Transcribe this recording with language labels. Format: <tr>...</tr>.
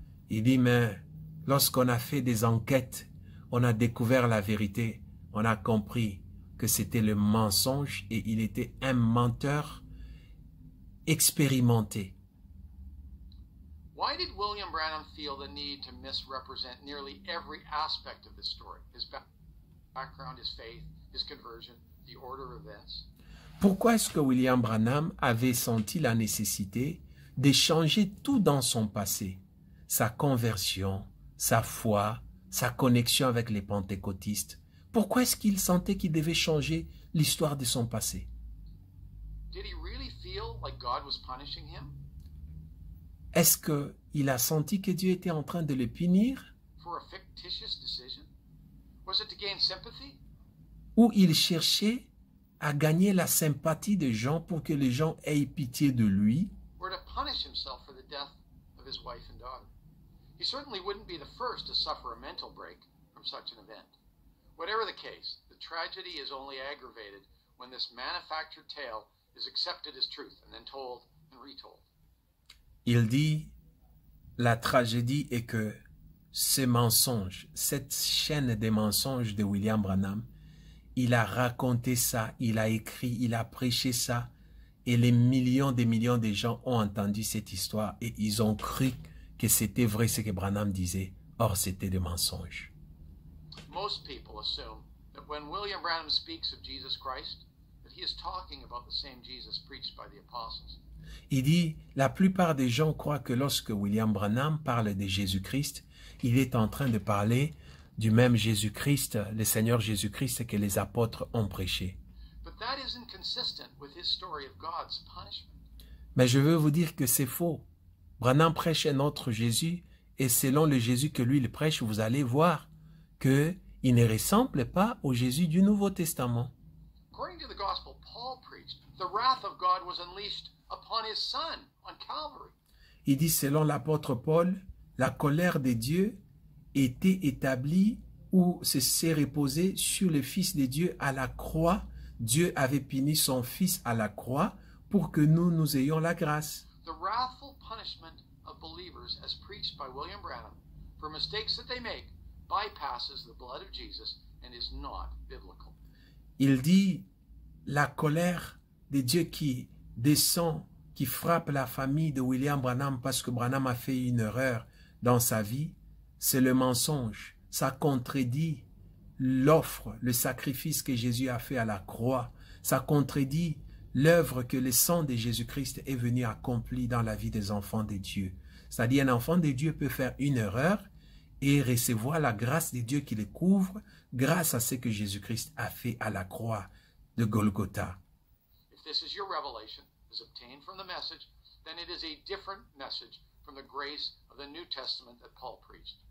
<fr>Il dit, mais lorsqu'on a fait des enquêtes, on a découvert la vérité. On a compris que c'était le mensonge et il était un menteur expérimenté.</fr> <en>Why did William Branham feel the need to misrepresent nearly every aspect of the story? His background, his faith, his conversion, the order of events.</en> <fr>Pourquoi est-ce que William Branham avait senti la nécessité de changer tout dans son passé? Sa conversion, sa foi, sa connexion avec les pentecôtistes. Pourquoi est-ce qu'il sentait qu'il devait changer l'histoire de son passé?</fr> <en>Did he really feel like God was punishing him?</en> <fr>Est-ce qu'il a senti que Dieu était en train de le punir?</fr> <en>For a fictitious decision? Was it to gain sympathy?</en> <fr>Ou il cherchait à gagner la sympathie des gens pour que les gens aient pitié de lui?</fr> <en>Or to punish himself for the death of his wife and daughter. He certainly wouldn't be the first to suffer a mental break from such an event. Whatever the case, the tragedy is only aggravated when this manufactured tale is accepted as truth and then told and retold.</en> <fr>Il dit, la tragédie est que ce mensonge, cette chaîne des mensonges de William Branham, il a raconté ça, il a écrit, il a prêché ça, et les millions des millions de gens ont entendu cette histoire et ils ont cru que c'était vrai ce que Branham disait. Or, c'était des mensonges.</fr> <en>Most people assume that when William Branham speaks of Jesus Christ, that he is talking about the same Jesus preached by the apostles.</en> <fr>Il dit, la plupart des gens croient que lorsque William Branham parle de Jésus-Christ, il est en train de parler du même Jésus-Christ, le Seigneur Jésus-Christ que les apôtres ont prêché.</fr> <en>But that isn't consistent with his story of God's punishment.</en> <fr>Mais je veux vous dire que c'est faux. Branham prêche un autre Jésus, et selon le Jésus que lui il prêche, vous allez voir qu'il ne ressemble pas au Jésus du Nouveau Testament.</fr> <en>According to the gospel Paul preached, the wrath of God was unleashed upon his son on Calvary.</en> <fr>Il dit, selon l'apôtre Paul, la colère de Dieu était établie ou se s'est reposée sur le Fils de Dieu à la croix. Dieu avait puni son Fils à la croix pour que nous ayons la grâce.</fr> <en>The wrathful punishment of believers as preached by William Branham for mistakes that they make bypasses the blood of Jesus and is not biblical.</en> <fr>Il dit, la colère de Dieu qui descend, qui frappe la famille de William Branham parce que Branham a fait une erreur dans sa vie, c'est le mensonge. Ça contredit l'offre, le sacrifice que Jésus a fait à la croix. Ça contredit l'œuvre que le sang de Jésus-Christ est venu accomplir dans la vie des enfants de Dieu. C'est-à-dire, un enfant de Dieu peut faire une erreur et recevoir la grâce de Dieu qui le couvre grâce à ce que Jésus-Christ a fait à la croix de Golgotha.</fr> <en>This is your revelation, is obtained from the message, then it is a different message from the grace of the New Testament that Paul preached.</en>